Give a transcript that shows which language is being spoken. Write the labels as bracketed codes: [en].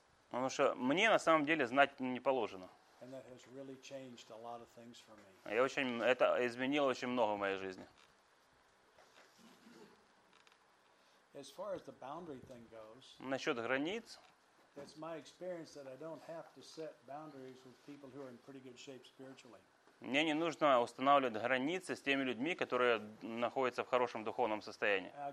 [ru] Потому что мне на самом деле знать не положено. [en] And that has really changed a lot of things for me. [ru] Это изменило очень много в моей жизни. [en] As far as the boundary thing goes, [ru] насчет границ, [en] it's my experience that I don't have to set boundaries with people who are in pretty good shape spiritually. [ru] Мне не нужно устанавливать границы с теми людьми, которые находятся в хорошем духовном состоянии.